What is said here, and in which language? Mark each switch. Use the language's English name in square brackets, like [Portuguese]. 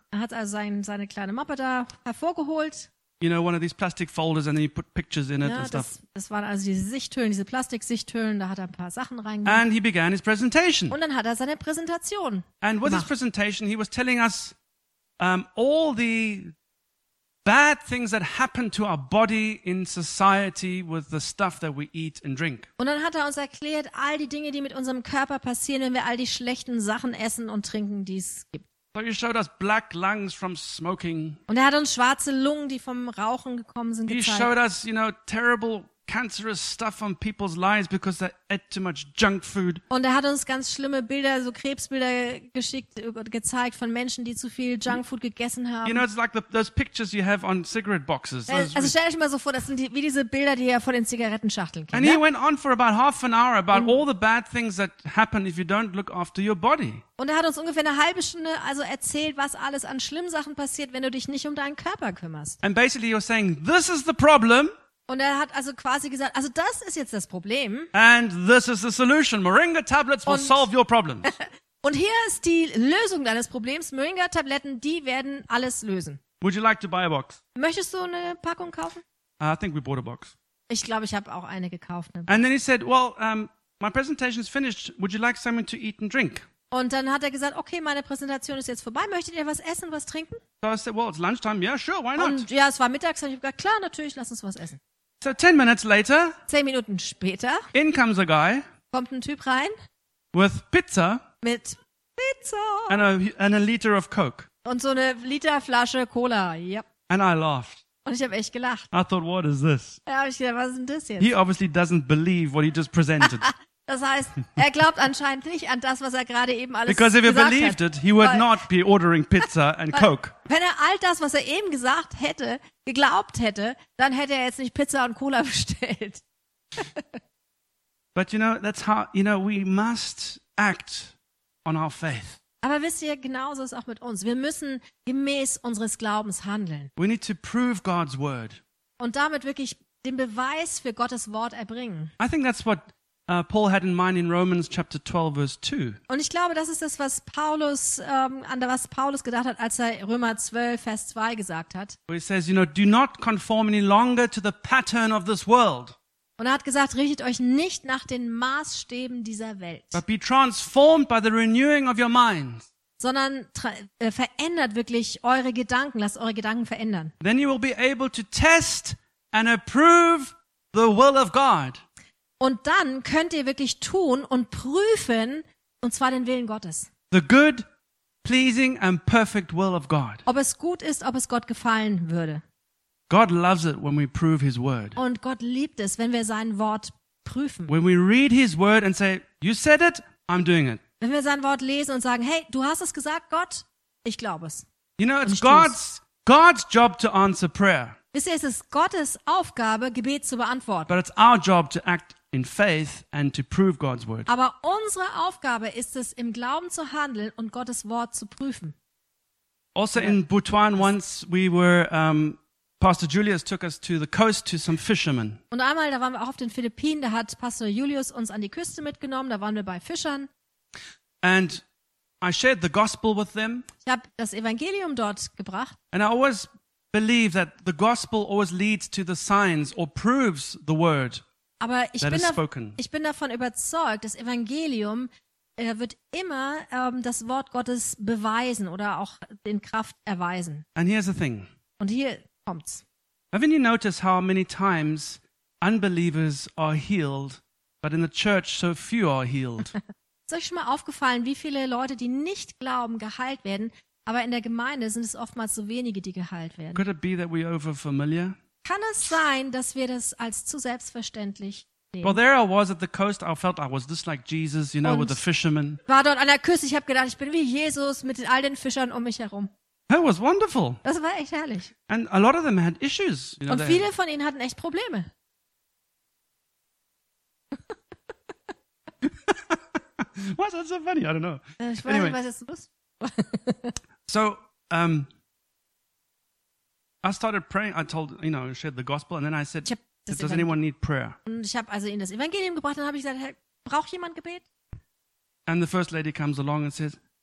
[German] Er hat also seine kleine Mappe da hervorgeholt. [English] You know, one of these plastic folders and then he put pictures in it, [German] ja, [English] and stuff. [German] Das waren also diese Sichthüllen, diese Plastiksichthüllen, da hat er ein paar Sachen reingemacht. [English] And he began his presentation. [German] Und dann hat er seine Präsentation. [English] And with his presentation he was telling us all the bad things that happen to our body in society with the stuff that we eat and drink. [German] Und dann hat er uns erklärt all die Dinge, die mit unserem Körper passieren, wenn wir all die schlechten Sachen essen und trinken, die es gibt. [English] But he showed us black lungs from smoking. [German] Und er hat uns schwarze Lungen, die vom Rauchen gekommen sind, gezeigt. [English] He showed us, you know, terrible cancerous stuff on people's lives because they ate too much junk food. [German] Und er hat uns ganz schlimme Bilder, so Krebsbilder geschickt, gezeigt von Menschen, die zu viel Junkfood gegessen haben. [English] You know, it's like those pictures you have on cigarette boxes. [German] Also stell dich mal so vor, das sind wie diese Bilder, die ihr vor den Zigarettenschachteln kennt. [English] And he went on for about half an hour about all the bad things that happen if you don't look after your body. [German] Und er hat uns ungefähr eine halbe Stunde also erzählt, was alles an schlimmen Sachen passiert, wenn du dich nicht um deinen Körper kümmerst. [English] And basically you're saying, this is the problem. [German] Und er hat also quasi gesagt, also das ist jetzt das Problem. [English] And this is the solution. Moringa tablets will solve your problems. [German] Und hier ist die Lösung deines Problems. Moringa Tabletten, die werden alles lösen. [English] Would you like to buy a box? [German] Möchtest du eine Packung kaufen? [English] I think we bought a box. [German] Ich glaube, ich habe auch eine gekauft. [English] And then he said, well, my presentation is finished. Would you like something to eat and drink? [German] Und dann hat er gesagt, okay, meine Präsentation ist jetzt vorbei. Möchtet ihr was essen, was trinken? [English] So I said, well, it's lunchtime. Yeah, sure, why not? [German] Und ja, es war mittags. Und ich habe gesagt, klar, natürlich, lass uns was essen. [English] So 10 minutes later. [German] 10 Minuten später. [English] In comes a guy. [German] Kommt ein Typ rein. [English] With pizza. [German] Mit Pizza. [English] And a liter of Coke. [German] Und so eine Literflasche Cola, yep. [English] And I laughed. [German] Und ich habe echt gelacht. [English] I thought, what is this? [German] Ja, hab ich gedacht, was ist denn das jetzt? [English] He obviously doesn't believe what he just presented. [German] Das heißt, er glaubt anscheinend nicht an das, was er gerade eben alles gesagt hat. [English] Because if he believed it, he would not be ordering pizza and Coke. [German] Wenn er all das, was er eben gesagt hätte, geglaubt hätte, dann hätte er jetzt nicht Pizza und Cola bestellt. [English] But you know, that's how, you know, we must act on our faith. [German] Aber wisst ihr, genauso ist es auch mit uns. Wir müssen gemäß unseres Glaubens handeln. [English] We need to prove God's word. [German] Und damit wirklich den Beweis für Gottes Wort erbringen. [English] I think that's what Paul had in mind in Romans chapter 12 verse 2. [German] Und ich glaube, das ist das, was Paulus was Paulus gedacht hat, als er Römer 12 Vers 2 gesagt hat. [English] He says, you know, do not conform any longer to the pattern of this world. [German] Und er hat gesagt, richtet euch nicht nach den Maßstäben dieser Welt. [English] But be transformed by the renewing of your mind. [German] Sondern verändert wirklich eure Gedanken, lasst eure Gedanken verändern. [English] Then you will be able to test and approve the will of God. [German] Und dann könnt ihr wirklich tun und prüfen, und zwar den Willen Gottes. [English] The good, pleasing and perfect will of God. [German] Ob es gut ist, ob es Gott gefallen würde. [English] God loves it when we prove his word. [German] Und Gott liebt es, wenn wir sein Wort prüfen. [English] When we read his word and say, you said it, I'm doing it. [German] Wenn wir sein Wort lesen und sagen, hey, du hast es gesagt, Gott, ich glaube es. [English] You know, it's God's job to answer prayer. [German] Wisst ihr, es ist Gottes Aufgabe, Gebet zu beantworten. [English] But it's our job to act in faith and to prove God's word. [German] Aber unsere Aufgabe ist es, im Glauben zu handeln und Gottes Wort zu prüfen. [English] Also in Butuan once we were Pastor Julius took us to the coast to some fishermen. [German] Und einmal da waren wir auch auf den Philippinen, da hat Pastor Julius uns an die Küste mitgenommen, da waren wir bei Fischern. [English] And I shared the gospel with them. [German] Ich habe das Evangelium dort gebracht. [English] And I always believe that the gospel always leads to the signs or proves the word. [German] Aber ich bin davon überzeugt, das Evangelium wird immer das Wort Gottes beweisen oder auch in Kraft erweisen. [English] And here's the thing. [German] Und hier kommt's. [English] Haven't you noticed how many times unbelievers are healed, but in the church so few are healed? [German] Ist euch schon mal aufgefallen, wie viele Leute, die nicht glauben, geheilt werden, aber in der Gemeinde sind es oftmals so wenige, die geheilt werden? [English] Could it be that we're overfamiliar? [German] Kann es sein, dass wir das als zu selbstverständlich nehmen? [English] Well, there I was at the coast. I felt I was just like Jesus, you know, [German] und [English] with the fishermen. [German] War dort an der Küste. Ich habe gedacht, ich bin wie Jesus mit all den Fischern um mich herum. [English] That was wonderful. [German] Das war echt herrlich. [English] And a lot of them had issues. You know, [German] und viele von ihnen hatten echt Probleme. [English] Why is that so funny? I don't know. [German] Ich weiß anyway. Nicht, was jetzt los. [English] So, I started praying. I told, you know, shared the gospel, and then I said, "Does anyone need prayer?" [German] Und ich habe also ihnen das Evangelium gebracht. Dann habe ich gesagt, hey, braucht jemand Gebet? [English] And the first lady comes along and says,